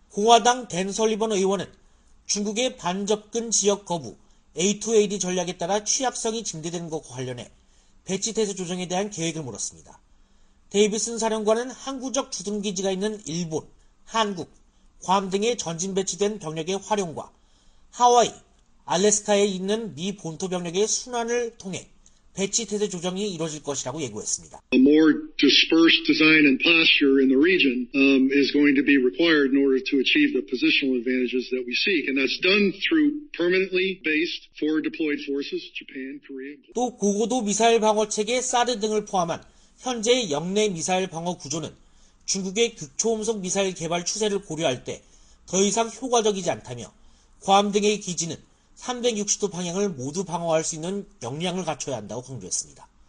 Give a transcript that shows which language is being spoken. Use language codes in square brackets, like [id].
[ko] 공화당 댄 설리번 의원은 중국의 반접근 지역 거부, A2AD 전략에 따라 취약성이 증대된 것과 관련해 배치태세 조정에 대한 계획을 물었습니다. 데이비슨 사령관은 항구적 주둔기지가 있는 일본, 한국, 괌 등의 전진 배치된 병력의 활용과 하와이, 알래스카에 있는 미 본토 병력의 순환을 통해 배치 태세 조정이 이루어질 것이라고 예고했습니다. [en] A more dispersed design and posture in the region is going to be required in order to achieve the positional advantages that we seek, and that's done through permanently based forward deployed forces, Japan, Korea. [ko] 또 고고도 미사일 방어 체계 사드 등을 포함한 현재 역내 미사일 방어 구조는 중국의 극초음속 미사일 개발 추세를 고려할 때 더 이상 효과적이지 않다며 괌 등의 기지는 360도 방향을 모두 방어할 수 있는 역량을 갖춰야 한다고 강조했습니다.